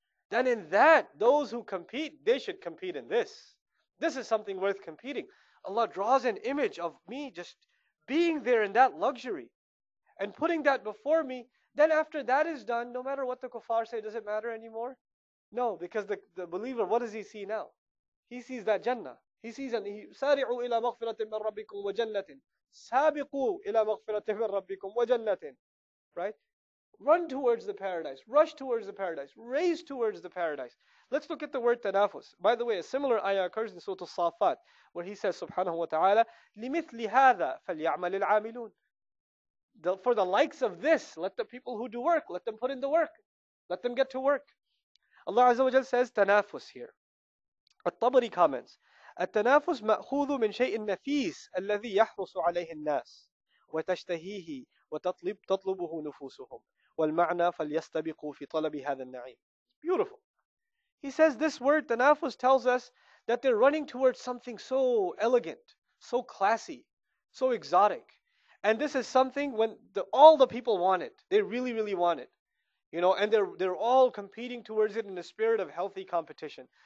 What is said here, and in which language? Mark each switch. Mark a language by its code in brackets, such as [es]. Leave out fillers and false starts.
[en] Then in that, those who compete, they should compete in this. This is something worth competing. Allah draws an image of me just being there in that luxury and putting that before me. Then after that is done, no matter what the kuffar say, does it matter anymore? No, because the believer, what does he see now? He sees that Jannah. He sees an [ar] سَارِعُوا إِلَى مَغْفِرَةٍ مِّن رَبِّكُمْ وَجَنَّةٍ سَابِقُوا إِلَى مَغْفِرَةٍ مِّن رَبِّكُمْ وَجَنَّةٍ. [en] Right? Run towards the paradise. Rush towards the paradise. Race towards the paradise. Let's look at the word tanafus. By the way, a similar ayah occurs in Surah Al-Safat where he says, subhanahu wa ta'ala, [ar] لِمِثْلِ هَذَا فَلْيَعْمَلِ الْعَامِلُونَ. [en] For the likes of this, let the people who do work, let them put in the work. Let them get to work. Allah Azza wa Jal says tanafus here. At-Tabari comments, [ar] التنافس مأخوذ من شيء نفيس الذي يحرص عليه الناس وتشتهيه وتطلبه نفوسهم والمعنى فليستبقوا في طلب هذا النعيم. [en] Beautiful. He says this word tanafus tells us that they're running towards something so elegant, so classy, so exotic. And this is something when all the people want it. They really, really want it. You know, and they're all competing towards it in the spirit of healthy competition.